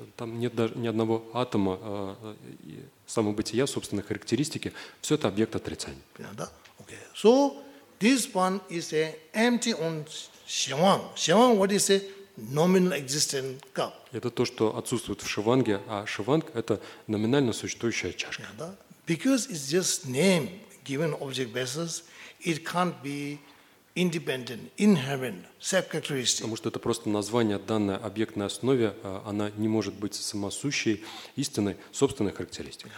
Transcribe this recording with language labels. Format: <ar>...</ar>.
<ru>Там нет даже ни одного атома самобытия, собственно, характеристики, все это объект отрицания. Да?</ru> <en>Okay. So, this one is an empty on Shivang. Shivang, what is a nominal existent cup?</en> <ru>Это то, что отсутствует в Шиванге, а Шиванг – это номинально существующая чашка.</ru> <en>Yeah,</en> <ru>да?</ru> <en>Because it's just name given object basis, it can't be independent, inherent, self-characteristic.</en> <ru>Потому что это просто название данной объектной основе, она не может быть самосущей, истинной, собственной характеристикой.</ru>